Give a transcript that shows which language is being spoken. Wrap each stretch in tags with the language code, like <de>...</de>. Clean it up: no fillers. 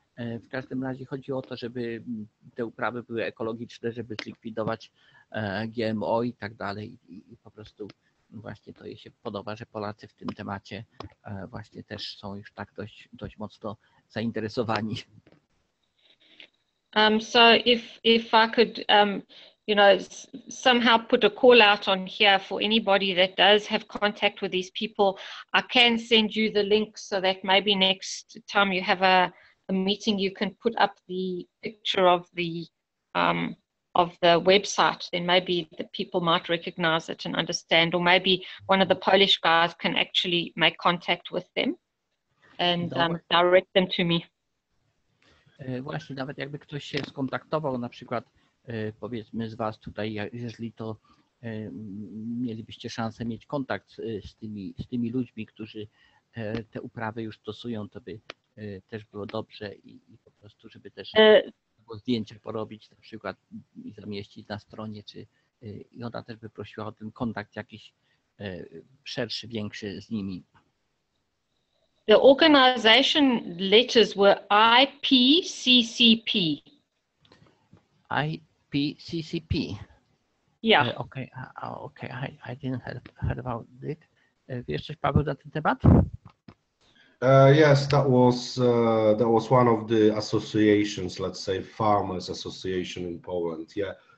<pl>W każdym razie chodzi o to, żeby te uprawy były ekologiczne, żeby zlikwidować GMO i tak dalej. I po prostu właśnie to jej się podoba, że Polacy w tym temacie właśnie też są już tak dość mocno zainteresowani.</pl> <en>So if I could, you know, somehow put a call out on here for anybody that does have contact with these people, I can send you the link so that maybe next time you have a meeting, you can put up the picture of the website. Then maybe the people might recognize it and understand, or maybe one of the Polish guys can actually make contact with them and direct them to me.</en> <pl>Właśnie, nawet jakby ktoś się skontaktował, na przykład powiedzmy z Was tutaj, jeżeli to mielibyście szansę mieć kontakt z tymi ludźmi, którzy te uprawy już stosują, to by też było dobrze i po prostu, żeby też zdjęcia porobić na przykład i zamieścić na stronie, czy i ona też by prosiła o ten kontakt jakiś szerszy, większy z nimi.</pl> <en>The organization letters were IPCCP. IPCCP. Yeah. Okay. I didn't heard about it.</en> <pl>Wiesz coś, Paweł, na ten temat?</pl> <en>Yes, that was one of the associations, let's say farmers association in Poland. Yeah.</en>